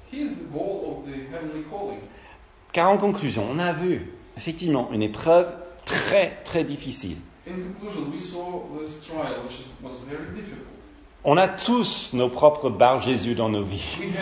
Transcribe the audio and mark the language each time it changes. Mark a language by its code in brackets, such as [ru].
[en] He is the goal of the heavenly calling. [fr] Car en conclusion, on a vu effectivement une épreuve très très difficile. [en] In conclusion, we saw this trial, which was very difficult. [fr] On a tous nos propres bar Jésus dans nos vies.